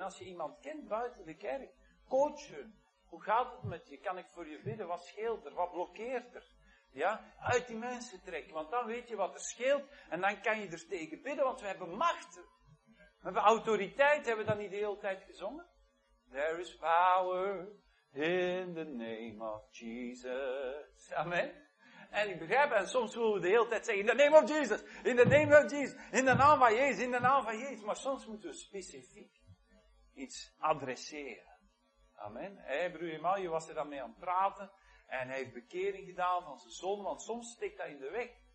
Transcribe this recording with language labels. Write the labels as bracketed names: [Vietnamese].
[Dutch] Als je iemand kent buiten de kerk, coach hun. Hoe gaat het met je? Kan ik voor je bidden? Wat scheelt er? Wat blokkeert er? Ja? Uit die mensen trekken, want dan weet je wat er scheelt en dan kan je er tegen bidden, want we hebben macht. We hebben autoriteit, hebben we dat niet de hele tijd gezongen? [English] There is power in the name of Jesus. Amen. [Dutch] En ik begrijp, en soms willen we de hele tijd zeggen, [English] in the name of Jesus, [Dutch] in the name of Jesus, in de naam van Jezus, in de naam van Jezus. Maar soms moeten we specifiek iets adresseren. Amen. Hey, broer Emmanuel was er dan mee aan het praten. En hij heeft bekering gedaan van zijn zonde, want soms steekt dat in de weg.